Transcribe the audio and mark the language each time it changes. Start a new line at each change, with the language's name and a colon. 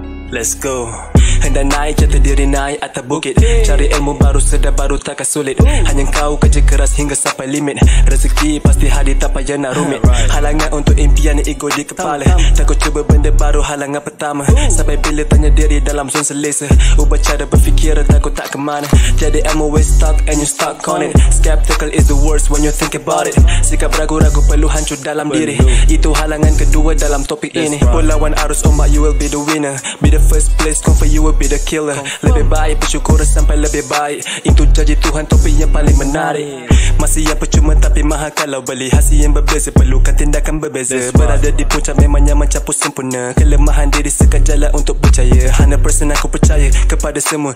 English: Let's go.
Malay: Hendak naik, jatuh diri naik atas bukit. Cari ilmu baru, sedar baru takkan sulit. Hanya kau kerja keras hingga sampai limit. Rezeki pasti hadir, tak payah nak rumit. Halangan untuk impian, ego di kepala. Takut cuba benda baru, halangan pertama. Sampai bila tanya diri dalam zon selesa. Ubah cara berfikir, takut tak ke mana. Jadi ilmu
English: we stuck and you stuck on it. Skeptical is the worst when you think about it.
Malay: Sikap ragu-ragu perlu hancur dalam diri. Itu halangan kedua dalam topik ini. Berlawan arus ombak,
English: you will be the winner. Be the first place, come for you will be the killer.
Malay: Lebih baik bersyukur sampai lebih baik. Itu janji Tuhan, topi yang paling menarik. Masih yang percuma tapi mahal kalau beli. Hasil yang berbeza, perlukan tindakan berbeza. Berada di puncak memangnya mencapu sempurna. Kelemahan diri sekat jalan untuk percaya. 100% aku percaya kepada semua.